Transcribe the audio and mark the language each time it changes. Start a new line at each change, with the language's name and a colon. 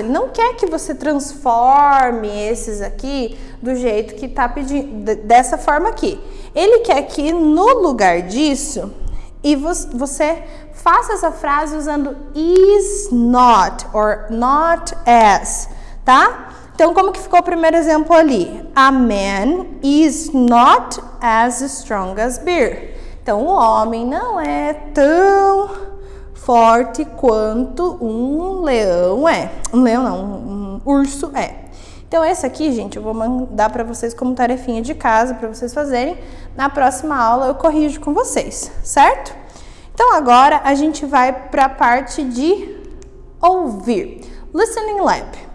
Portuguese: Ele não quer que você transforme esses aqui do jeito que tá pedindo, dessa forma aqui. Ele quer que no lugar disso, e você faça essa frase usando is not or not as, tá? Então, como que ficou o primeiro exemplo ali?
English: A man is not as strong as beer.
Portuguese: Então, o homem não é tão forte quanto um leão é. Um leão não, um urso é. Então, esse aqui, gente, eu vou mandar para vocês como tarefinha de casa para vocês fazerem. Na próxima aula eu corrijo com vocês, certo? Então, agora, a gente vai para a parte de ouvir. Listening Lab.